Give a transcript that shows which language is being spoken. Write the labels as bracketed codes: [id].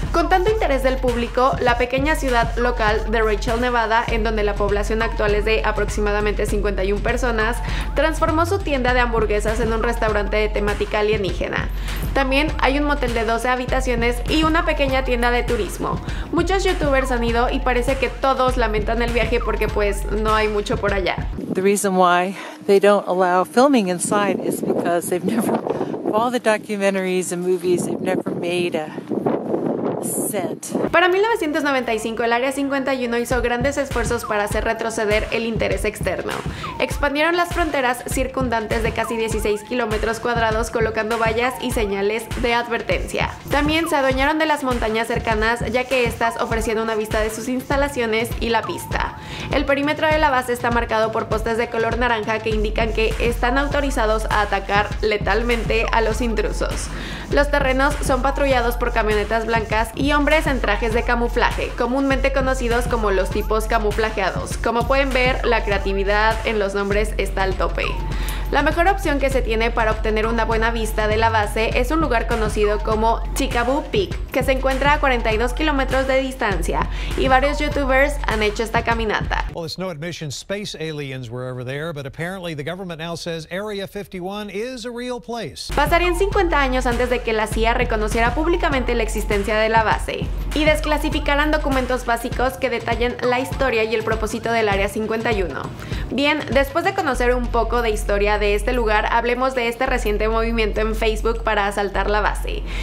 [es] Con tanto interés del público, la pequeña ciudad local de Rachel, Nevada, en donde la población actual es de aproximadamente 51 personas, transformó su tienda de hamburguesas en un restaurante de temática alienígena. También hay un motel de 12 habitaciones y una pequeña tienda de turismo. Muchos youtubers han ido y parece que todos lamentan el viaje porque pues no hay mucho por allá. [en] The reason why they don't allow filming inside is because they've never, all the documentaries and movies, they've never made a [es] Para 1995, el Área 51 hizo grandes esfuerzos para hacer retroceder el interés externo. Expandieron las fronteras circundantes de casi 16 kilómetros cuadrados, colocando vallas y señales de advertencia. También se adueñaron de las montañas cercanas, ya que éstas ofrecían una vista de sus instalaciones y la pista. El perímetro de la base está marcado por postes de color naranja que indican que están autorizados a atacar letalmente a los intrusos. Los terrenos son patrullados por camionetas blancas y hombres en trajes de camuflaje, comúnmente conocidos como los tipos camuflajeados. Como pueden ver, la creatividad en los nombres está al tope. La mejor opción que se tiene para obtener una buena vista de la base es un lugar conocido como Chicaboo Peak, que se encuentra a 42 kilómetros de distancia, y varios youtubers han hecho esta caminata. [en] Well, it's no admission space aliens were over there, but apparently the government now says Area 51 is a real place. [es] Pasarían 50 años antes de que la CIA reconociera públicamente la existencia de la base y desclasificaran documentos básicos que detallen la historia y el propósito del Área 51. Bien, después de conocer un poco de historia de este lugar, hablemos de este reciente movimiento en Facebook para asaltar la base.